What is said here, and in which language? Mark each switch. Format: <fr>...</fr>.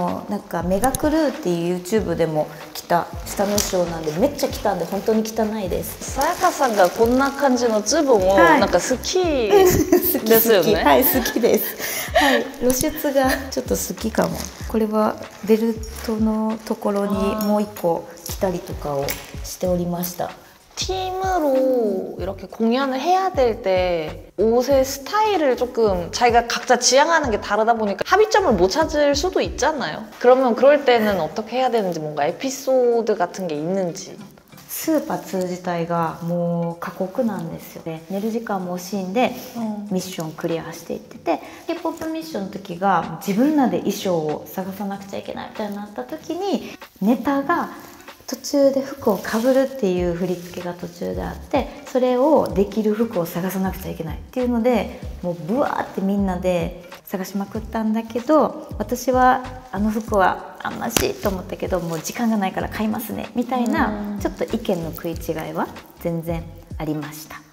<ja>この衣装は一応スーパーのコンサートも年末にあったんですけど、その時に着てた衣装なんでちょっと汚い。いっぱい汗をかきました。これがトップだよね。はい、トップです。一応トップです。これはツバキルのなんかメガクルーっていう YouTube でも 下の衣装なんでめっちゃ汚いで、本当に汚いです。さやかさんがこんな感じのズボンをなんか好きですよね。はい、好きです。はい、露出がちょっと好きかも。これはベルトのところにもう一個着たりとかをしておりました。</ja> <ko>팀으로 이렇게 공연을 해야 될 때 옷의 스타일을 조금 자기가 각자 지향하는 게 다르다 보니까 합의점을 못 찾을 수도 있잖아요. 그러면 그럴 때는 어떻게 해야 되는지 뭔가 에피소드 같은 게 있는지. 스파츠 자체가</ko> <ja>もう過酷なんですよね。寝る時間も惜しいんで ミッション クリアしていってて、 K-POP ミッションの時が自分らで衣装を探さなくちゃいけないみたいになった時にネタが途中で服をかぶるっていう振り付けが途中であって、それをできる服を探さなくちゃいけないっていうので、もうブワーってみんなで探しまくったんだけど、私はあの服はあんましいと思ったけど、もう時間がないから買いますねみたいな、ちょっと意見の食い違いは全然ありました。</ja>